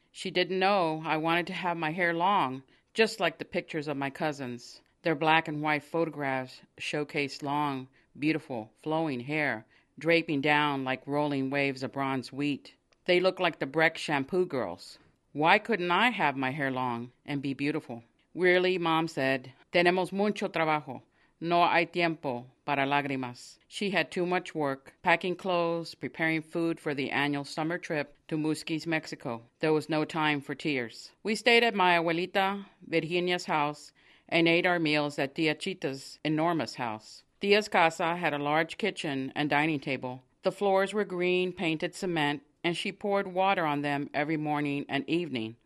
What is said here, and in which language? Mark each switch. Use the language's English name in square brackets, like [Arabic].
[English] She didn't know I wanted to have my hair long, just like the pictures of my cousins. Their black and white photographs showcased long, beautiful, flowing hair, draping down like rolling waves of bronze wheat. They looked like the Breck shampoo girls. Why couldn't I have my hair long and be beautiful? Wearily, Mom said, [Spanish] "Tenemos mucho trabajo. No hay tiempo para lágrimas." [English] She had too much work, packing clothes, preparing food for the annual summer trip to Musquis, Mexico. There was no time for tears. We stayed at my abuelita Virginia's house and ate our meals at Tia Chita's enormous house. Tia's casa had a large kitchen and dining table. The floors were green painted cement, and she poured water on them every morning and evening.